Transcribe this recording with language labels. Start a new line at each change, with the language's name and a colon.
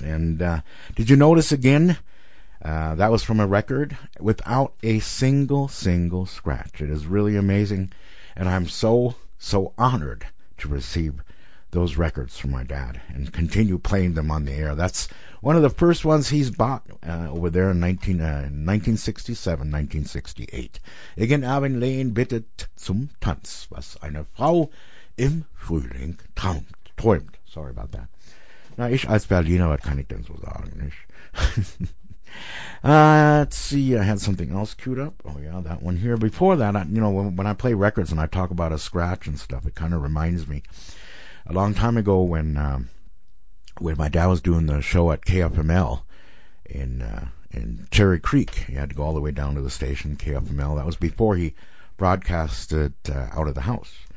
English: And did you notice again? That was from a record without a single scratch. It is really amazing. And I'm so honored to receive those records from my dad and continue playing them on the air. That's one of the first ones he's bought over there in 1967, 1968.
German: Again, Erwin Lehn bittet zum Tanz, was eine Frau im Frühling träumt.
English: Sorry about that.
German: Na, ich als Berliner, was kann ich denn so sagen, nicht?
English: Let's see, I had something else queued up. Oh yeah, that one here. Before that, when I play records and I talk about a scratch and stuff, it kind of reminds me a long time ago when my dad was doing the show at KFML in Cherry Creek. He had to go all the way down to the station, KFML. That was before he broadcast it out of the house.